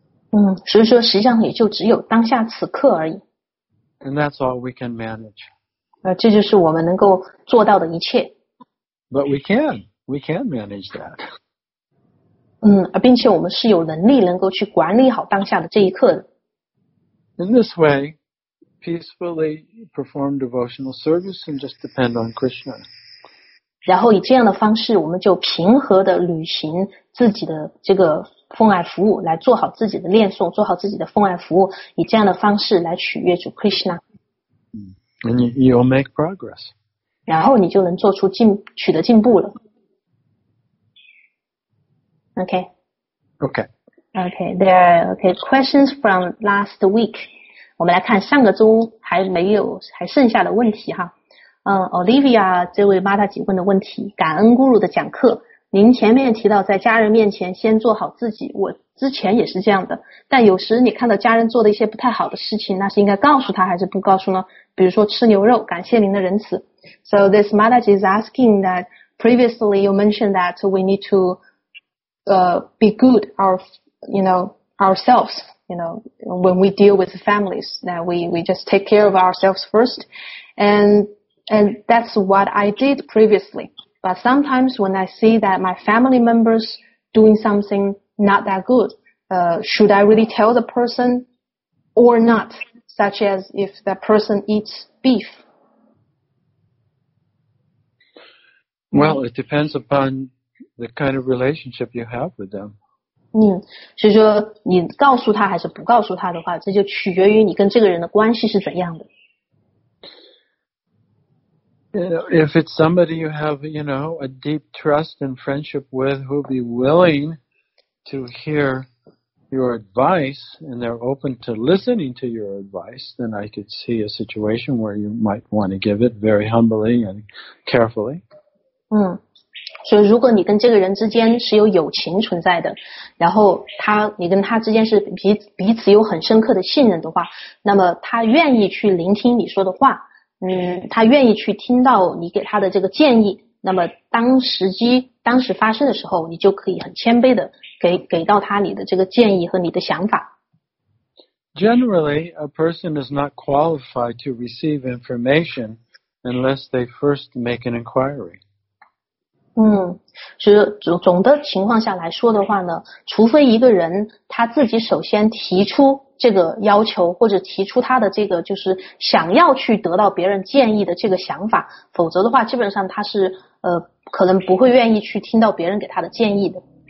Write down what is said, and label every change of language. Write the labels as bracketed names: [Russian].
[Chinese] 嗯，所以说实际上也就只有当下此刻而已。 [English] And that's all we can manage. [Chinese] 这就是我们能够做到的一切。 [English] But we can manage that. [Chinese] 嗯，并且我们是有能力能够去管理好当下的这一刻的。 [English] In this way, peacefully perform devotional service and just depend on Krishna. [Chinese] 然后以这样的方式我们就平和地履行自己的这个奉爱服务来做好自己的念诵做好自己的奉爱服务以这样的方式来取悦主 Krishna [English] And you'll make progress [Chinese] 然后你就能做出取得进步了 OK [English] Okay. Okay, there are okay, questions from last week. [Chinese] 我们来看上个周还没有还剩下的问题哈。 Olivia 这位妈妈姐问的问题，感恩咕噜的讲课，您前面提到在家人面前先做好自己，我之前也是这样的，但有时你看到家人做的一些不太好的事情，那是应该告诉他还是不告诉呢？比如说吃牛肉，感谢您的仁慈。 [English] So this Mataji is asking that previously you mentioned that we need to be good ourselves, you know, when we deal with families, that we just take care of ourselves first. And that's what I did previously. But sometimes when I see that my family members doing something not that good, should I really tell the person or not? Such as if that person eats beef. Well, it depends upon the kind of relationship you have with them. [Chinese] 所以说你告诉他还是不告诉他的话，这就取决于你跟这个人的关系是怎样的。 [English] If it's somebody you have, you know, a deep trust and friendship with who'll be willing to hear your advice and they're open to listening to your advice, then I could see a situation where you might want to give it very humbly and carefully. [Chinese] 所以如果你跟这个人之间是有友情存在的，然后他你跟他之间是彼此有很深刻的信任的话，那么他愿意去聆听你说的话，他愿意去听到你给他的这个建议，那么当时发生的时候，你就可以很谦卑的给到他你的这个建议和你的想法。 [English] Generally, a person is not qualified to receive information unless they first make an inquiry. [Chinese] 所以总的情况下来说的话呢，除非一个人他自己首先提出这个要求，或者提出他的这个就是想要去得到别人建议的这个想法，否则的话基本上他是可能不会愿意去听到别人给他的建议的。